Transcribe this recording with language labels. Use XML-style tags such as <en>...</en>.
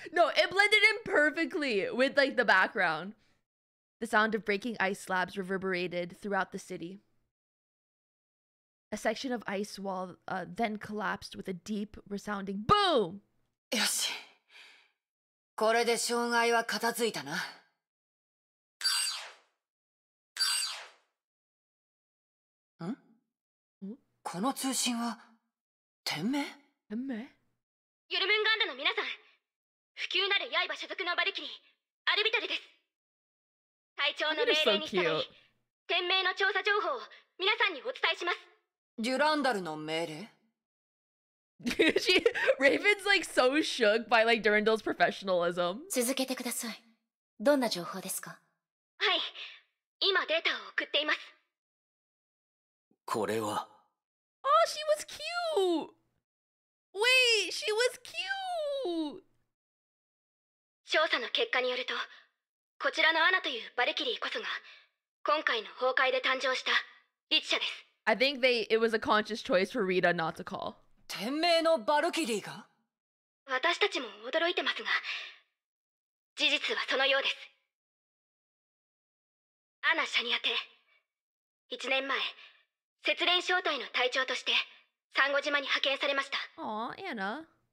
<en>No, it blended in perfectly with like the background. The sound of breaking ice slabs reverberated throughout the city. A section of ice wall then collapsed with a deep, resounding boom. Yes.</en> <ja>これで障害は片付いたな。この通信は天命？天命？ユルムンガンダの皆さん、不朽なる刃所属のバルキリーアルビトルです。隊長の命令に従い、天命の調査情報を皆さんにお伝えします。デュランダルの命令？</ja> <en>She, Raven's like so shook by like Durandal's professionalism.</en> <ja>続けてください。どんな情報ですか？はい、今データを送っています。これは。</ja> <en>Oh, she was cute. Wait, she was cute.</en> <ja>調査の結果によると、こちらのアナというバルキリーこそが今回の崩壊で誕生した律者です。</ja> <en>I think they it was a conscious choice for Rita not to call.</en> <ja>天命のバルキリーが？私たちも驚いてますが、事実はそのようです。アナ・シャニアテ、1年前、雪連小隊の隊長として、サンゴ島に派遣されました。あ、アナ。</ja>